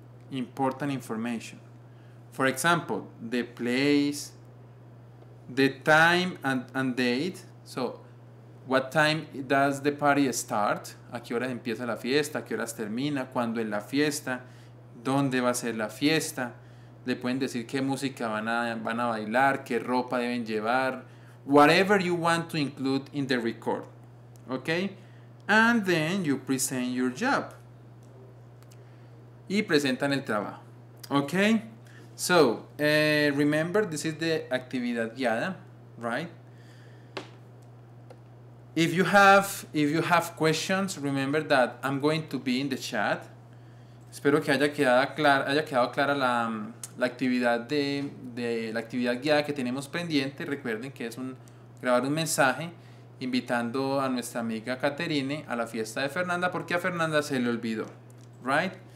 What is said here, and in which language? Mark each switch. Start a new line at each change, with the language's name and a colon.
English: Important information. For example, the place, the time and date. So, what time does the party start?
Spanish: ¿A qué hora empieza la fiesta? ¿A qué horas termina? ¿Cuándo es la fiesta? ¿Dónde va a ser la fiesta? Le pueden decir qué música van a bailar, qué ropa deben llevar.
English: Whatever you want to include in the record. Okay? And then you present your job.
Spanish: Y presentan el trabajo. Okay?
English: So, remember, this is the
Spanish: actividad guiada,
English: right? If you have questions, remember that I'm going to be in the chat.
Spanish: Espero que haya quedado clara la actividad guiada que tenemos pendiente. Recuerden que es grabar un mensaje invitando a nuestra amiga Caterine a la fiesta de Fernanda porque a Fernanda se le olvidó, right?